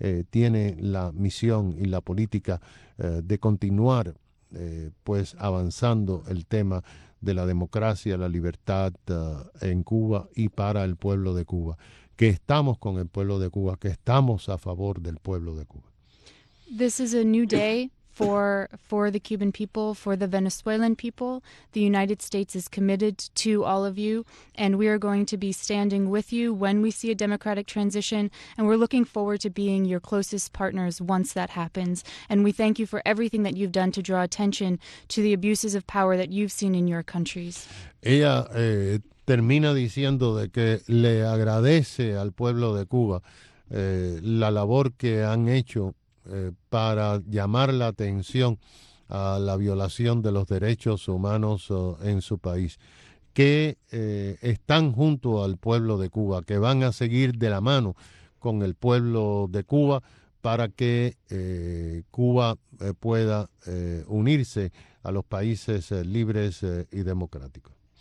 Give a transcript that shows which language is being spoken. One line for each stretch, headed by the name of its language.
Spanish: tiene la misión y la política de continuar pues avanzando el tema de la democracia, la libertad en Cuba y para el pueblo de Cuba, que estamos con el pueblo de Cuba, que estamos a favor del pueblo de Cuba.
English: This is a new day for the Cuban people, for the Venezuelan people. The United States is committed to all of you, and we are going to be standing with you when we see a democratic transition, and we're looking forward to being your closest partners once that happens. And we thank you for everything that you've done to draw attention to the abuses of power that you've seen in your countries.
Spanish: Ella termina diciendo de que le agradece al pueblo de Cuba la labor que han hecho para llamar la atención a la violación de los derechos humanos en su país, que están junto al pueblo de Cuba, que van a seguir de la mano con el pueblo de Cuba para que Cuba pueda unirse a los países libres y democráticos.